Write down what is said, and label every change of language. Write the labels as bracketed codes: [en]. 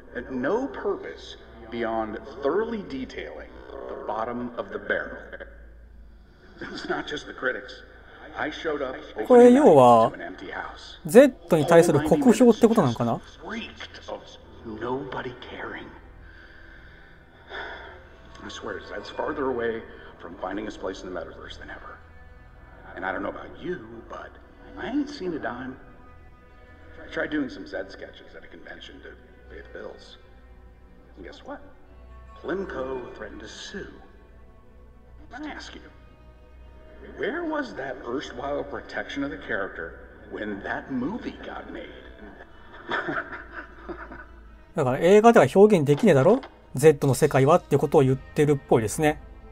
[en] No purpose beyond thoroughly detailing the bottom of the barrel. It's not just the critics. I showed up opening to an empty house. [ja] Z に対する酷評ってことなのかな？ [en] Reeked of nobody caring. I swear, Zed's farther away from finding his place in the metaverse than ever. And I don't know about you, but. I ain't seen a dime. I tried doing some Zed sketches at a convention to pay the bills. And guess what? Plimco threatened to sue. Let me ask you. Where was that erstwhile protection of the character when that movie got made? [ja] だから映画では表現できねえだろ？ Zed の世界はってことを言ってるっぽいですね。